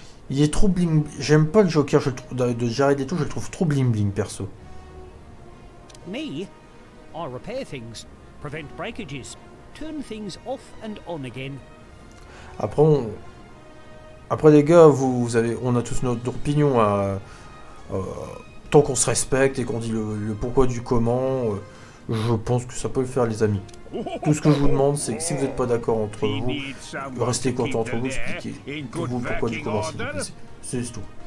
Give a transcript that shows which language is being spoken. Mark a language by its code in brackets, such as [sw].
[fr] Il est trop bling. J'aime pas le Joker de Jared Leto, je le trouve trop bling bling, perso. [en] Me, I repair things, prevent breakages, turn things off and on again. [fr] Après les gars, on a tous notre opinion, hein, tant qu'on se respecte et qu'on dit le pourquoi du comment, je pense que ça peut le faire, les amis. Tout ce que je vous demande, c'est que si vous n'êtes pas d'accord entre vous, restez content entre vous, expliquez tout le pourquoi du comment, c'est tout.